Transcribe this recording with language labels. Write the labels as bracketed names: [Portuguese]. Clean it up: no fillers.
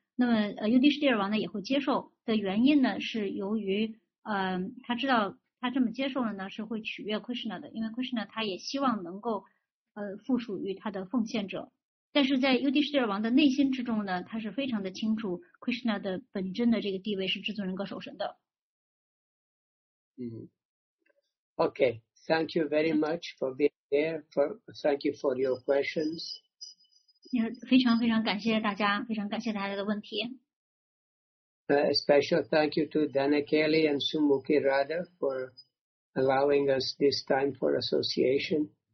[Chinese] 那么Yudhishthira 王呢也会接受的原因呢，是由于他知道他这么接受了呢是会取悦 Krishna 的，因为 Krishna 他也希望能够附属于他的奉献者。但是在 Yudhishthira 王的内心之中呢，他是非常的清楚 Krishna 的本真的这个地位是至尊人格守神的。 [English] Okay, thank you very much for being there. Thank you for your questions. [Chinese] 非常非常感谢大家，非常感谢大家的问题。 [English] Special thank you to Dana Kelly and Sumukhi Radha for allowing us this time for association.